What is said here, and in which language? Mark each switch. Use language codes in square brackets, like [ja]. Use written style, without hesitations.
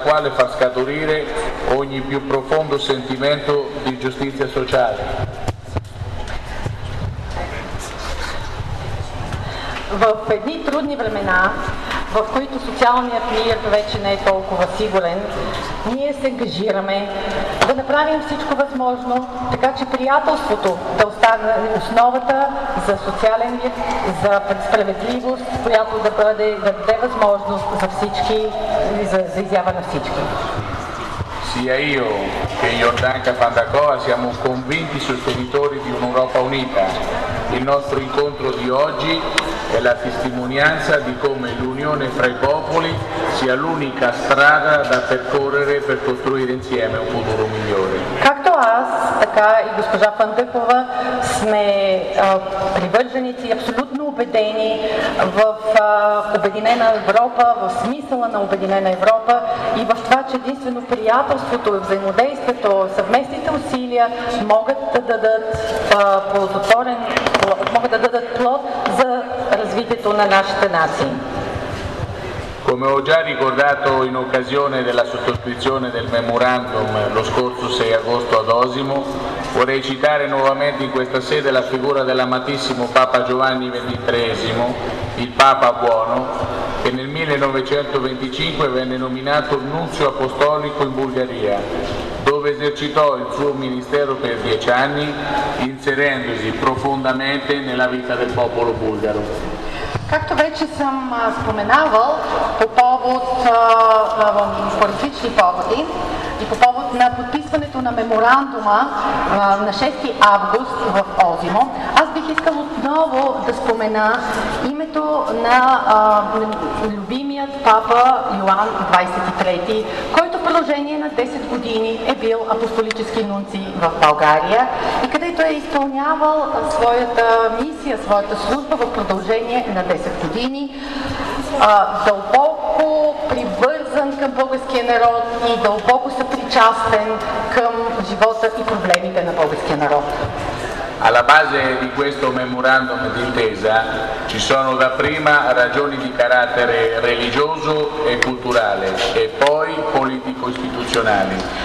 [it] far scaturire ogni più profondo sentimento di giustizia sociale. [bg] В едни трудни времена, в които социалният мир вече не е толкова сигурен, ние се ангажираме да направим всичко възможно, така че приятелството да остане основата за социален мир, за справедливост, която да бъде, да даде възможност за всички и за изява на всички. [it] Sia io che Jordanka Pandakova siamo convinti sostenitori di un'Europa unita. Il nostro incontro di oggi è la testimonianza di come l'unione fra i popoli sia l'unica strada da percorrere per costruire insieme un futuro migliore. [bg] Аз, така и госпожа Фандъкова, сме привърженици, абсолютно убедени в Обединена Европа, в смисъла на Обединена Европа и в това, че единствено приятелството, взаимодействието, съвместните усилия могат да дадат плодотворен, могат да дадат плод за развитието на нашите нации. [it] Come ho già ricordato in occasione della sottoscrizione del memorandum lo scorso 6 agosto ad Osimo, vorrei citare nuovamente in questa sede la figura dell'amatissimo Papa Giovanni XXIII, il Papa Buono, che nel 1925 venne nominato nunzio apostolico in Bulgaria, dove esercitò il suo ministero per 10 anni, inserendosi profondamente nella vita del popolo bulgaro. [bg] Както вече съм споменавал по повод политични поводи и по повод на подписването на меморандума на 6 август в Озимо, аз бих искал отново да спомена името на любимият папа Йоан 23, който в продължение на 10 години е бил апостолически нунци в България и където е изпълнявал своята мисия, своята служба в продължение на 10 години. Дълбоко привързан към българския народ и дълбоко съпричастен към живота и проблемите на българския народ. [it] Alla base di questo memorandum d'intesa ci sono dapprima ragioni di carattere religioso e culturale e poi politico-istituzionali.